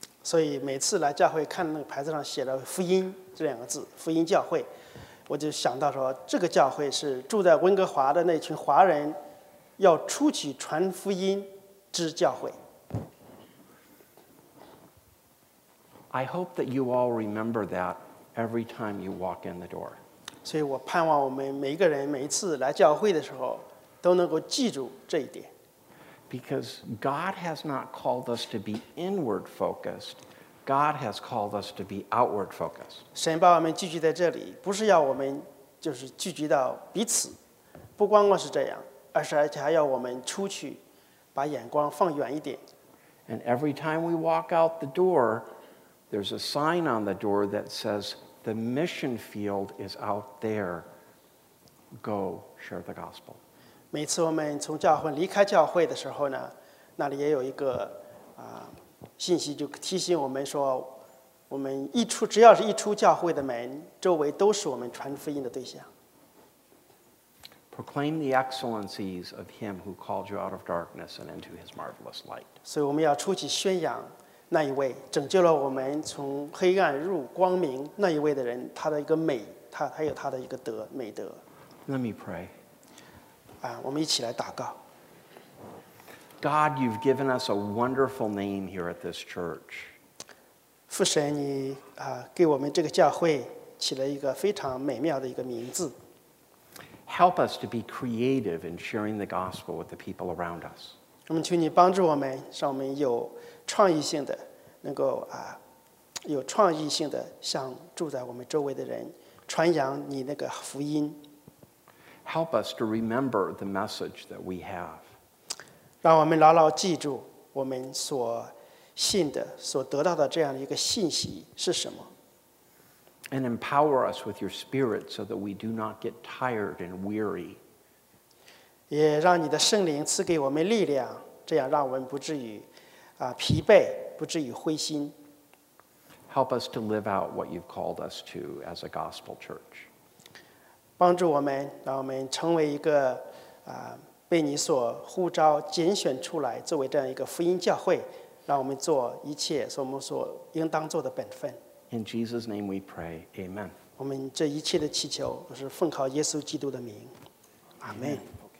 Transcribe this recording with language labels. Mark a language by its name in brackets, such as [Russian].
[Chinese] 所以每次来教会看那个牌子上写的福音这两个字，福音教会，我就想到说这个教会是住在温哥华的那群华人要出去传福音之教会。 [English] I hope that you all remember that every time you walk in the door. [Chinese] 所以我盼望我们每一个人每一次来教会的时候都能够记住这一点。 [English] Because God has not called us to be inward focused, God has called us to be outward focused. [Chinese] 神把我们聚集在这里，不是要我们就是聚集到彼此，不光光是这样，而是而且还要我们出去，把眼光放远一点。 [English] And every time we walk out the door, there's a sign on the door that says, the mission field is out there. Go share the gospel. [Chinese] 每次我们从教会离开教会的时候呢，那里也有一个啊信息，就提醒我们说，我们一出，只要是一出教会的门，周围都是我们传福音的对象。 [English] Proclaim the excellencies of him who called you out of darkness and into his marvelous light. [Chinese] 所以我们要出去宣扬那一位拯救了我们从黑暗入光明那一位的人，他的一个美，他还有他的一个德，美德。 [English] Let me pray. [Chinese] 啊，我们一起来祷告。 [English] God, you've given us a wonderful name here at this church. [Chinese] 父神，你啊，给我们这个教会起了一个非常美妙的一个名字。 [English] Help us to be creative in sharing the gospel with the people around us. [Chinese] 我们求你帮助我们，让我们有创意性的，能够啊，有创意性的向住在我们周围的人传扬你那个福音。 [English] Help us to remember the message that we have. [Chinese] 让我们牢牢记住我们所信的、所得到的这样一个信息是什么。 [English] And empower us with your spirit so that we do not get tired and weary. [Chinese] 也让你的圣灵赐给我们力量，这样让我们不至于疲惫，不至于灰心。 [English] Help us to live out what you've called us to as a gospel church. [Chinese] 帮助我们，让我们成为一个被你所呼召拣选出来作为这样一个福音教会，让我们做一切我们所应当做的本分。 [English] In Jesus' name we pray. Amen. [Chinese] 我们这一切的祈求是奉靠耶稣基督的名。阿门。 [English] Amen.